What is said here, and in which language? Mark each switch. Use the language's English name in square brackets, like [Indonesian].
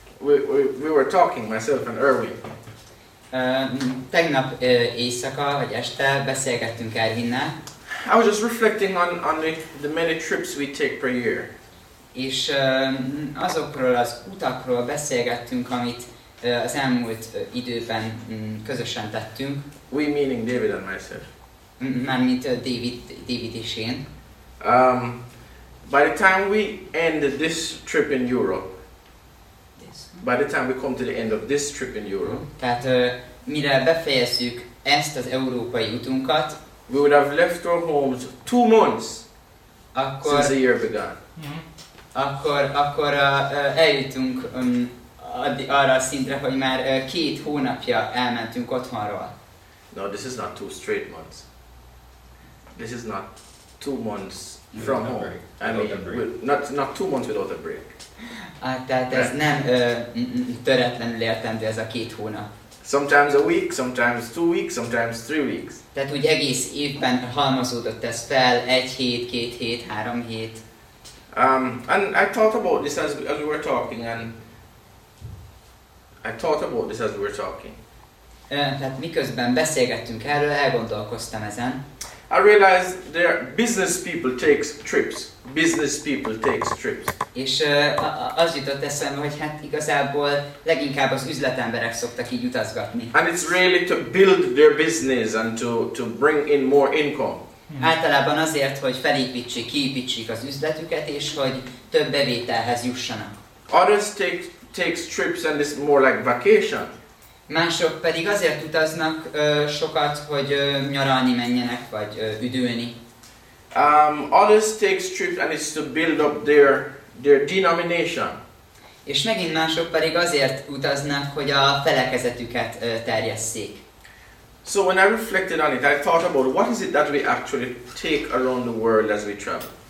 [English] We were talking myself and Erwin. [Hungarian] Tegnap éjszaka vagy este beszélgettünk Erwinnel. [English] I was just reflecting on the many trips we take per year. [Hungarian] És azokról az utakról beszélgettünk, amit az elmúlt időben közösen tettünk. [English] We meaning David and myself. [Hungarian] Mármint David és én. [English] By the time we end this trip in Europe. By the time we come to the end of this trip in Europe. [Hungarian] Tehát mire befejezzük ezt az európai utunkat. [English] We would have left our homes 2 months [Hungarian] akkor, [English] since the year began. [Hungarian] Akkor eljutunk arra a szintre, hogy már 2 hónapja elmentünk otthonról. [English] No, this is not 2 straight months. This is not 2 months from home. Break. I mean, not 2 months without a break. [Hungarian] Tehát ez nem töretlenül értendő ez a 2 hónap. [English] Sometimes a week, sometimes 2 weeks, sometimes 3 weeks. [Hungarian] Tehát úgy egész évben halmozódott ez fel, 1 hét, 2 hét, 3 hét. [English] And I thought about this as we were talking, and I thought about this as we were talking. [Hungarian] Tehát miközben beszélgettünk erről, elgondolkoztam ezen. [English] I realized there business people takes trips. Business people takes trips. [Hungarian] És az jutott eszembe, hogy hát igazából leginkább az üzletemberek szoktak így utazgatni. [English] And it's really to build their business and to bring in more income. Mm-hmm. [Hungarian] Általában azért, hogy felépítsék, kiépítsék az üzletüket, és hogy több bevételhez jussanak. [English] Others takes trips and it's more like vacation. [Hungarian] Mások pedig azért utaznak sokat, hogy nyaralni menjenek, vagy üdülni. [English] Others take trips and it's to build up their denomination. [Hungarian] És megint mások pedig azért utaznak, hogy a felekezetüket terjesszék. [English] So when I reflected on it, I thought about what is it that we actually take around the world as we travel.